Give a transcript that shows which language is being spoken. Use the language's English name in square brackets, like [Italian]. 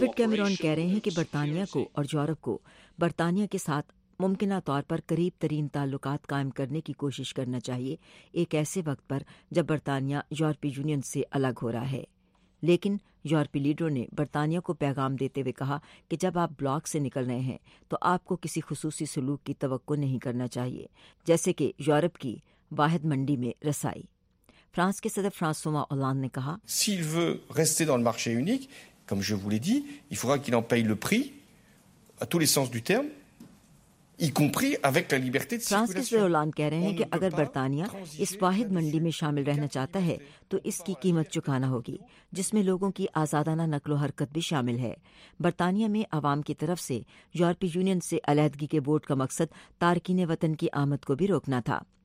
[Urdu] David Cameroon کہہ رہے ہیں کہ برطانیہ کو اور یورپ کو برطانیہ کے ساتھ ممکنہ طور پر قریب ترین تعلقات قائم کرنے کی کوشش کرنا چاہیے ایک ایسے وقت پر جب برطانیہ یورپی یونین سے الگ ہو رہا ہے. لیکن یورپی لیڈروں نے برطانیہ کو پیغام دیتے ہوئے کہا کہ جب آپ بلاک سے نکل رہے ہیں تو آپ کو کسی خصوصی سلوک کی توقع نہیں کرنا چاہیے، جیسے کہ یورپ کی واحد منڈی میں رسائی. فرانس کے صدر فرانسوا اولاند نے کہا [French] s'il veut rester dans le marché unique comme je vous l'ai dit il faudra qu'il en paye le prix à tous les sens du terme. [Urdu] France کے صدر اولاند کہہ رہے ہیں کہ اگر برطانیہ اس واحد منڈی میں شامل رہنا چاہتا ہے تو اس کی قیمت چکانا ہوگی، جس میں لوگوں کی آزادانہ نقل و حرکت بھی شامل ہے. برطانیہ میں عوام کی طرف سے یورپی یونین سے علیحدگی کے ووٹ کا مقصد تارکین وطن کی آمد کو بھی روکنا تھا.